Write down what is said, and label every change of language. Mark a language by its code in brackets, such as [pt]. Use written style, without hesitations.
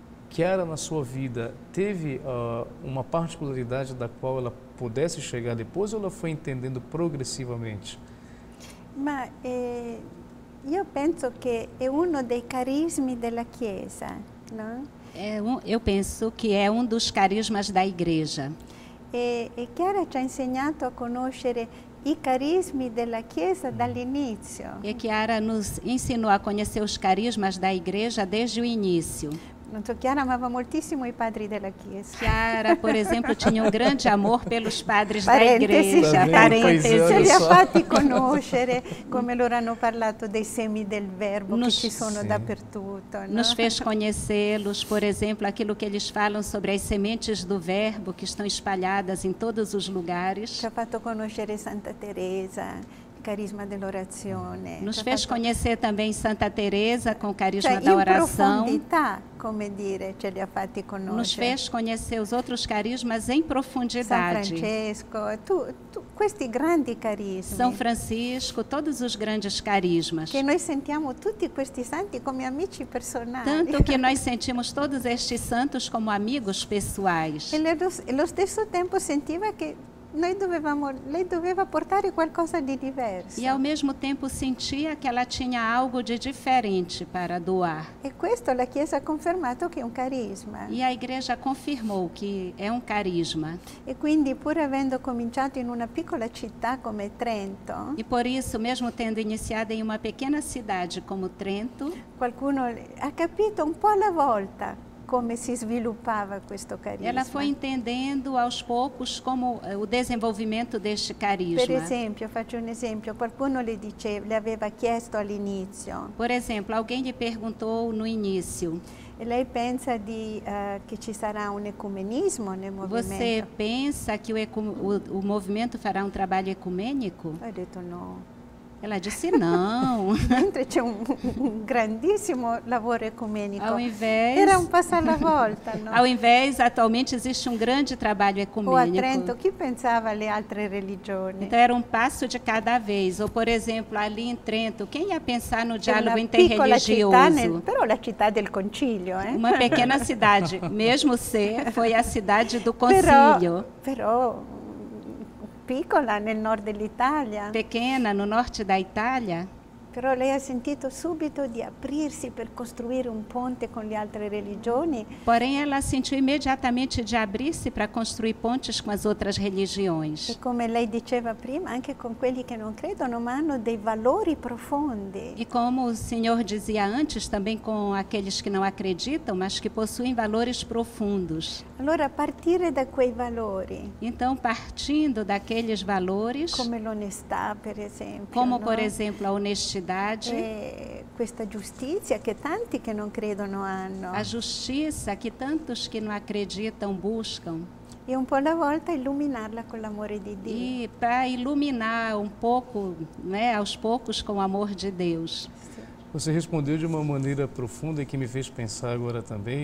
[pt] Chiara, na sua vida, teve uma particularidade da qual ela pudesse chegar depois, ou ela foi entendendo progressivamente? Mas eu penso que é um dos carismas da Chiesa, não? Eu penso que é um dos carismas da Igreja. [it] E Chiara ci ha insegnato a conoscere i carismi della Chiesa dall'inizio. [pt] E Chiara nos ensinou a conhecer os carismas da Igreja desde o início. Não sei, [it] Chiara amava moltíssimo i padri della Chiesa. [pt] Chiara, por exemplo, tinha um grande amor pelos padres da Igreja. [it] Parentesi, ce li ha fatti conoscere, come loro hanno parlato dei semi del verbo che ci sono dappertutto. [pt] Nos fez conhecê-los, por exemplo, aquilo que eles falam sobre as sementes do verbo que estão espalhadas em todos os lugares. [it] Ci ha fatto conoscere Santa Teresa. carisma dell'orazione. [pt] Nos fez conhecer também Santa Teresa com o carisma da oração. [it] In profondità, come dire, ce li ha fatti conoscere. [pt] Nos fez conhecer os outros carismas em profundidade. [it] San Francesco, tu, questi grandi carismi. [pt] São Francisco, todos os grandes carismas. [it] Che noi sentiamo tutti questi santi come amici personali. [pt] Tanto que nós sentimos todos estes santos como amigos pessoais. [it] E allo stesso tempo sentiva che noi dovevamo, lei doveva portare qualcosa di diverso. [pt] E ao mesmo tempo sentia que ela tinha algo de diferente para doar. [it] E questo la Chiesa ha confermato che è un carisma. [pt] E a Igreja confirmou que é um carisma. [it] E quindi pur avendo cominciato in una piccola città come Trento. [pt] E por isso, mesmo tendo iniciado em uma pequena cidade como Trento, [it] qualcuno ha capito un po' alla volta come si sviluppava questo carisma. [pt] Ela foi entendendo aos poucos como o desenvolvimento deste carisma. [it] Per esempio, faccio un esempio, qualcuno le diceva, le aveva chiesto all'inizio. [pt] Por exemplo, alguém lhe perguntou no início. [it] E lei pensa di che ci sarà un ecumenismo nel movimento? [pt] Você pensa que o movimento farà un trabalho ecumênico? [it] Ho detto no. [pt] Ela disse não. [it] Mentre c'è un grandissimo lavoro ecumenico. [pt] Ao invés, [it] era un passo alla volta, no? [pt] Ao invés, atualmente existe um grande trabalho ecumênico. [it] O a Trento, chi pensava le altre religioni? [pt] Então era um passo de cada vez. Ou, por exemplo, ali em Trento, quem ia pensar no diálogo interreligioso? [it] Città però la città del concilio, eh? [pt] Uma pequena cidade, mesmo ser, foi a cidade do concilio. [it] Però piccola nel nord dell'Italia. [pt] Pequena no norte da Itália. [it] Però lei ha sentito subito di aprirsi per costruire un ponte con le altre religioni. [pt] Porém ela sentiu imediatamente de abrir-se para construir pontes com as outras religiões. [it] E come lei diceva prima, anche con quelli che non credono ma hanno dei valori profondi. [pt] E como o senhor dizia antes, também com aqueles que não acreditam, mas que possuem valores profundos. [it] Allora partire da quei valori. [pt] Então partindo daqueles valores. [it] Come l'onestà, per esempio. [pt] Como por exemplo a onestà. E [it] questa giustizia che tanti che non credono hanno. [pt] A justiça que tantos que não acreditam buscam. E um pouco da volta iluminá-la com o amor de Deus. E para iluminar um pouco, né, aos poucos com o amor de Deus. Você respondeu de uma maneira profunda e que me fez pensar agora também.